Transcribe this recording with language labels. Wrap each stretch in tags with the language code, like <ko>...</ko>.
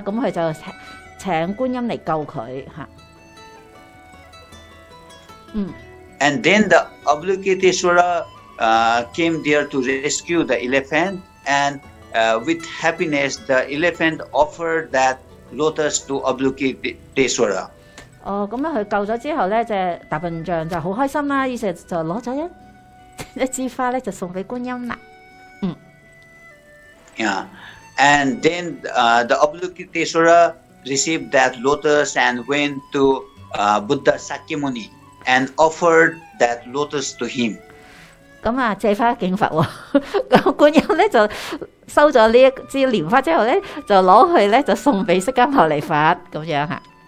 <yue>咁佢就請觀音嚟救佢嚇。</yue> <en>And then the Avalokiteshvara came there to rescue the elephant, and with happiness, the elephant offered that lotus to Avalokiteshvara.</en> <yue>哦，咁樣佢救咗之後咧，隻大笨象就好開心啦，於是就攞咗一。一枝花咧就送俾观音啦。</yue> <en>Yeah, and then the Avalokiteshvara received that lotus and went to Buddha Sakyamuni and offered that lotus to him.</en> <yue>咁啊，借花敬佛，咁观音咧就收咗呢一枝莲花之后咧，就攞去咧就送俾释迦牟尼佛咁样吓。</yue>